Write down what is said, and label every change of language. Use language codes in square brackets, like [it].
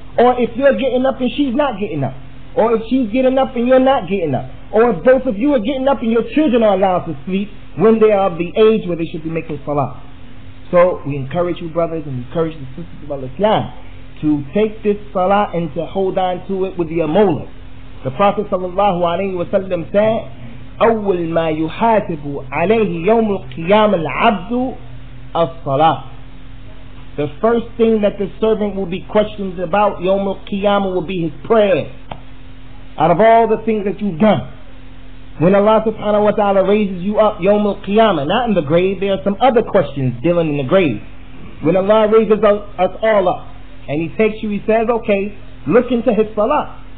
[en] Or if you're getting up and she's not getting up. Or if she's getting up and you're not getting up. Or if both of you are getting up and your children are allowed to sleep when they are of the age where they should be making salah. So we encourage you, brothers, and we encourage the sisters of Al-Islam to take this salah and to hold on to it with your molars. The Prophet sallallahu alayhi wa sallam said, [ar] أول ما يحاسب عليه يوم القيامة العبد الصلاة. [en] The first thing that the servant will be questioned about [ar] يوم القيامة [en] will be his prayer. Out of all the things that you've done, when Allah subhanahu wa ta'ala raises you up, [ar] يوم القيامة, [en] not in the grave, there are some other questions dealing in the grave. When Allah raises us all up, and he takes you, he says, okay, look into his salah.